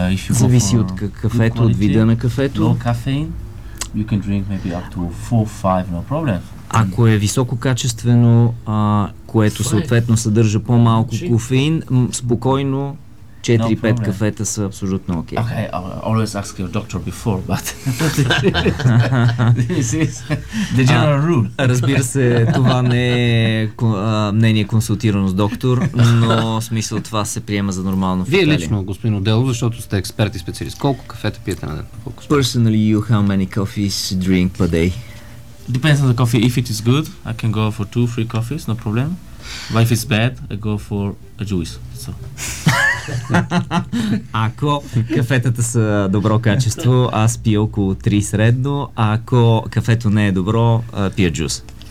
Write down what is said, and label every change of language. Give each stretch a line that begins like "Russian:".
Bulgarian: Зависи от кафето, от вида на кафето.
English: Low caffeine, you can drink maybe up to 4-5, no problem.
Bulgarian: Ако е висококачествено, което съответно съдържа по-малко кофеин, спокойно 4-5 кафета са абсолютно окей.
English: Okay, I always ask your doctor before, but this is the general rule.
Bulgarian: Разбира се, това не е мнение консултирано с доктор, но в смисъл това се приема за нормално. Вие лично, господин Одело, защото сте експерт и специалист, колко кафета пиете на ден?
English: Personally, you how many coffees drink per day? Depends on the coffee. If it is good, I can go for 2-3 coffees, no problem. But if it's bad, I go for a juice. So.
Bulgarian: Ако кафетата са добро качество, аз пия около 3 средно, а ако кафето не е добро, пия джус.